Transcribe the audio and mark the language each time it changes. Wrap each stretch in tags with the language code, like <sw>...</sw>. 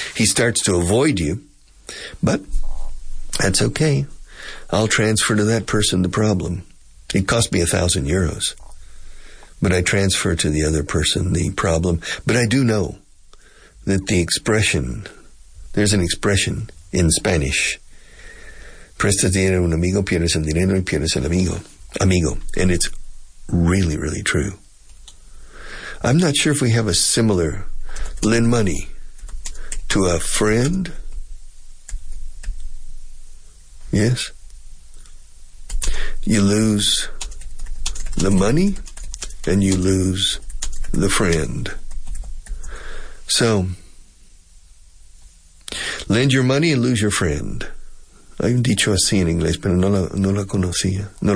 <en>He starts to avoid you. But that's okay. I'll transfer to that person the problem. It cost me 1,000 euros. But I transfer to the other person the problem. But I do know that there's an expression in Spanish.</en> <es>Presta dinero a un amigo, pierdes el dinero y pierdes el amigo.</es> <en>Amigo. And it's really, really true. I'm not sure if we have a similar lend money to a friend. Yes? You lose the money and you lose the friend. So, lend your money and lose your friend.</en> <es>Hay un dicho así en inglés, pero no lo conocía.</es>